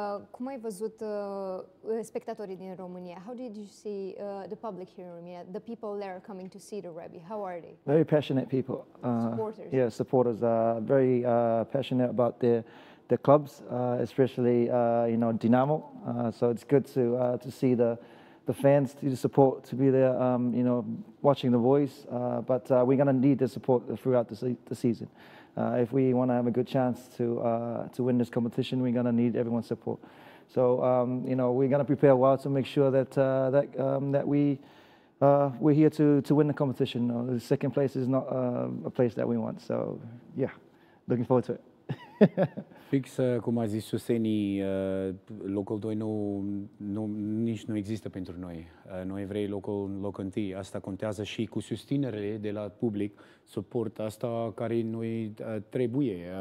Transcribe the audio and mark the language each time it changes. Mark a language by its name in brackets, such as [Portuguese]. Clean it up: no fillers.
[Romanian] Cum ai văzut spectatorii din România? [English] How did you see the public here in Romania? The people that are coming to see the rugby, how are they? Very passionate people. Supporters. Yeah, supporters are very passionate about their clubs, especially you know, Dinamo. So it's good to see the fans, to support, to be there, you know, watching the boys. But we're going to need the support throughout the season. If we want to have a good chance to win this competition, we're going to need everyone's support. So, you know, we're going to prepare well to make sure that we're here to win the competition. You know, the second place is not a place that we want. So, yeah, looking forward to it. [Romanian] Fix cum a zis Suseni, locul 2 nici nu există pentru noi. Noi vrei locul 1. Asta contează și cu susținere de la public, suport asta care noi trebuie.